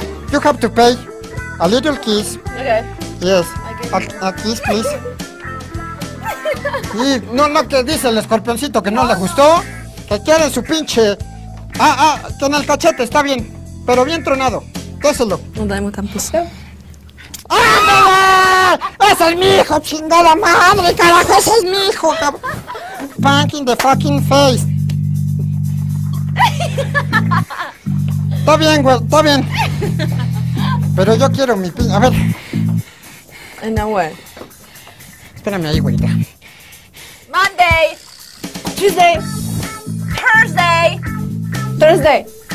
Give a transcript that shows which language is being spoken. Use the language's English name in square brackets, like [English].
[English] You have to pay a little kiss. Okay. Yes. A kiss, please. [Spanish] Y no, no, que dice el escorpioncito que no le gustó. Que quiere su pinche. Ah, ah, que en el cachete está bien. Pero bien tronado. Déselo. No damos tampoco. ¡Ándale! ¡Ese es mi hijo, chingada madre! ¡Carajo, ese es mi hijo, cabrón! [English] Punk in the fucking face. [Spanish] Está bien, güey, está bien. Pero yo quiero mi pin... A ver. [English] And now what? [Spanish] Espérame ahí, güerita. [English] Mondays. Tuesday. Thursday. Thursday.